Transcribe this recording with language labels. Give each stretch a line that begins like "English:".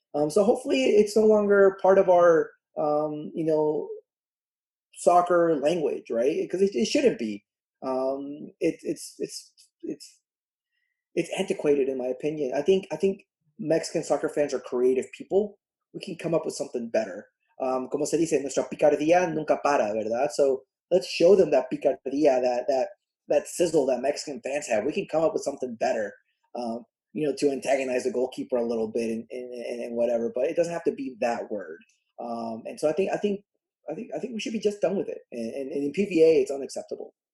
English: So hopefully it's no longer part of our you know, soccer language, right? Because it shouldn't be. It's antiquated, in my opinion. I think Mexican soccer fans are creative people. We can come up with something better.
Spanish: Como se dice, nuestra picardía nunca para, verdad?
English: So let's show them that picardía, that sizzle that Mexican fans have. We can come up with something better, you know, to antagonize the goalkeeper a little bit and whatever. But it doesn't have to be that word. And so I think we should be just done with it. And in PVA, it's unacceptable.